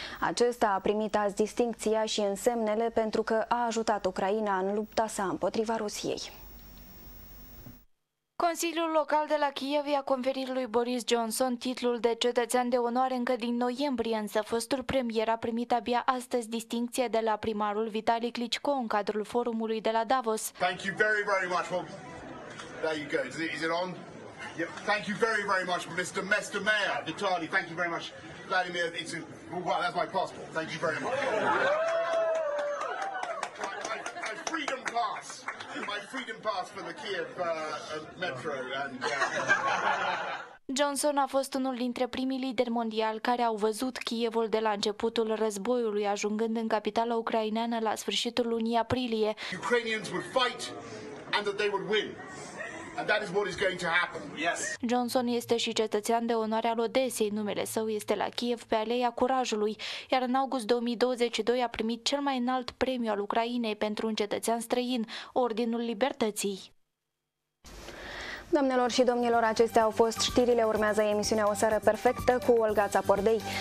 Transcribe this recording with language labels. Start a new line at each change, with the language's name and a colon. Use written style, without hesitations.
Romanian: Acesta a primit azi distincția și însemnele pentru că a ajutat Ucraina în lupta sa împotriva Rusiei. Consiliul local de la Kiev i-a conferit lui Boris Johnson titlul de cetățean de onoare încă din noiembrie, însă fostul premier a primit abia astăzi distincție de la primarul Vitali Klitschko în cadrul forumului de la Davos.
English: Thank you very, very much. Well, there you go. Is it on? Yep. Thank you very, very much, Mr. Mayor Vitali. Thank you very much, Vladimir. It's a, well, that's my passport. Thank you very much. My freedom pass. My freedom pass for the Kiev metro and
Romanian: Johnson a fost unul dintre primii lideri mondiali care au văzut Kievul de la începutul războiului, ajungând în capitala ucraineană la sfârșitul lunii aprilie.
English: Ukrainians would fight and that they would win. And that is what is going to happen. Yes.
Romanian: Johnson este și cetățean de onoare al Odesei. Numele său este la Kiev pe Aleea Curajului, iar în august 2022 a primit cel mai înalt premiu al Ucrainei pentru un cetățean străin, Ordinul Libertății. Doamnelor și domnilor, acestea au fost știrile. Urmează emisiunea O seară perfectă cu Olga Țapordei.